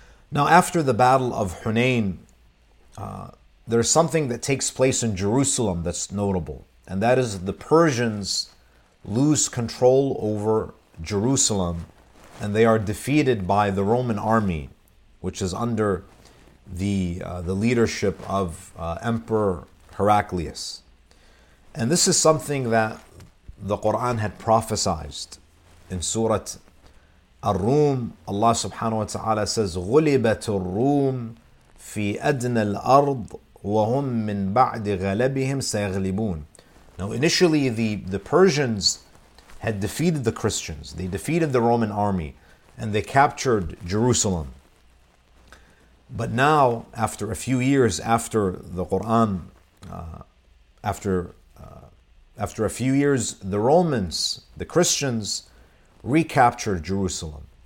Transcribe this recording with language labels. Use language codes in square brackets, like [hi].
[en] Now, after the Battle of Hunain, there's something that takes place in Jerusalem that's notable, and that is the Persians lose control over Jerusalem, and they are defeated by the Roman army, which is under the leadership of Emperor Heraclius. And this is something that the Qur'an had prophesied. In Surah Ar-Rum, Allah subhanahu wa ta'ala says, [ar] غُلِبَتُ الرُّومِ فِي أَدْنَى الْأَرْضِ وَهُمْ مِنْ بَعْدِ غَلَبِهِمْ سَيَغْلِبُونَ. [en] Now initially the Persians had defeated the Christians. They defeated the Roman army and they captured Jerusalem. But now, after a few years after the Qur'an, after a few years, the Romans, the Christians, recaptured Jerusalem.